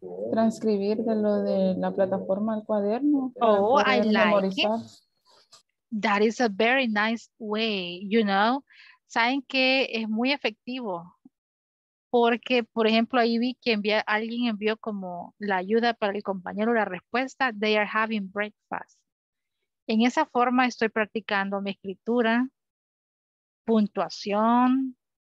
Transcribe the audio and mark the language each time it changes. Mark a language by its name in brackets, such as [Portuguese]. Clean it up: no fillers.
[Spanish] Transcribir de lo de la plataforma al cuaderno. [English] Oh, I like memorizar. That is a very nice way, you know. [Spanish] Saben que es muy efectivo. Porque, por ejemplo, ahí vi que alguien envió como la ayuda para el compañero, la respuesta. [English] They are having breakfast. [Spanish] En esa forma estoy practicando mi escritura, puntuación.